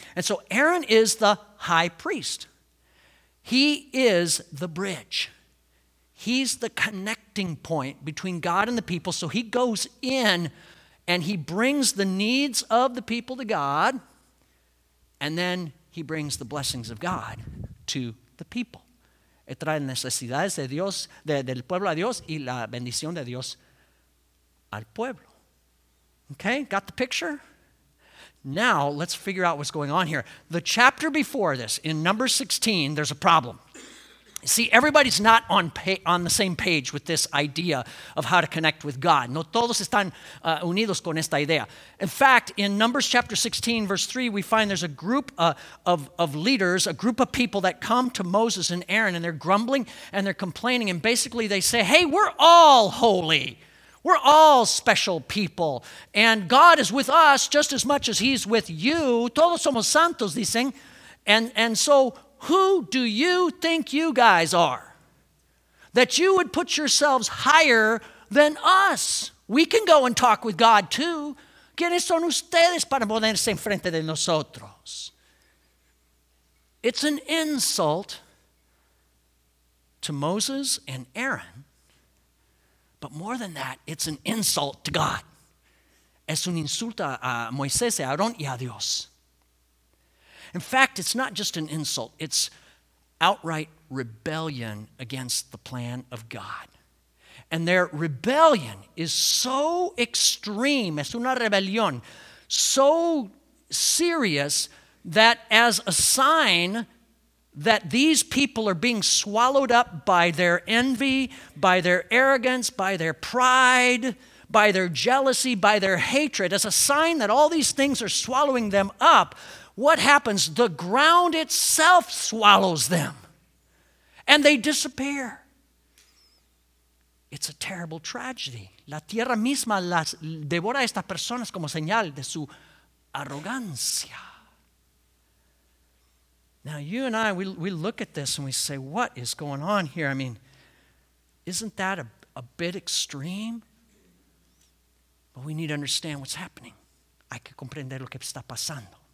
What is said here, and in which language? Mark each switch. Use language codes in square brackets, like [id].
[en] And so Aaron is the high priest. He is the bridge. He's the connecting point between God and the people. So he goes in and he brings the needs of the people to God. And then he brings the blessings of God to the people. [es] Él trae necesidades de Dios, del pueblo a Dios y la bendición de Dios al pueblo. [en] Okay, got the picture? Now, let's figure out what's going on here. The chapter before this, in number 16, there's a problem. See, everybody's not on the same page with this idea of how to connect with God. [es] No todos están unidos con esta idea. [en] In fact, in Numbers chapter 16, verse 3, we find there's a group of leaders, a group of people that come to Moses and Aaron, and they're grumbling and they're complaining, and basically they say, hey, we're all holy. We're all special people, and God is with us just as much as he's with you. [es] Todos somos santos, dicen. [en] And so who do you think you guys are that you would put yourselves higher than us? We can go and talk with God too. [es] ¿Quiénes son ustedes para ponerse en frente de nosotros? [en] It's an insult to Moses and Aaron. But more than that, it's an insult to God. [es] Es un insulto a Moisés, a Aarón y a Dios. [en] In fact, it's not just an insult. It's outright rebellion against the plan of God. And their rebellion is so extreme, [es] es una rebelión, [en] so serious that as a sign that these people are being swallowed up by their envy, by their arrogance, by their pride, by their jealousy, by their hatred. As a sign that all these things are swallowing them up, what happens? The ground itself swallows them, and they disappear. It's a terrible tragedy. [es] La tierra misma las devora a estas personas como señal de su arrogancia. [en] Now, you and I, we look at this and we say, what is going on here? I mean, isn't that a bit extreme? But we need to understand what's happening. [es] Hay que comprender lo que está pasando.